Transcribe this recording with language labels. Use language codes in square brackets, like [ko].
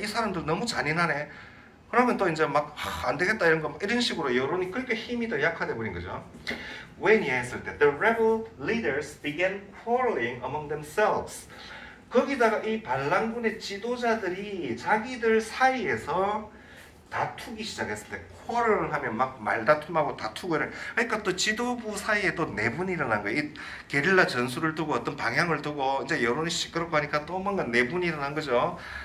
[ko] 이 사람들 너무 잔인하네. 그러면 또 이제 막, 안 되겠다. 이런 거, 이런 식으로 여론이 그렇게 힘이 더 약화돼 버린 거죠. [en] When he [ko] 했을 때, [en] the rebel leaders began quarreling among themselves. [ko] 거기다가 이 반란군의 지도자들이 자기들 사이에서 다투기 시작했을 때, 쿼럴을 하면 막 말다툼하고 다투고를. 그러니까 또 지도부 사이에 또 내분이 일어난 거예요. 이 게릴라 전술을 두고 어떤 방향을 두고 이제 여론이 시끄럽고 하니까 또 뭔가 내분이 일어난 거죠.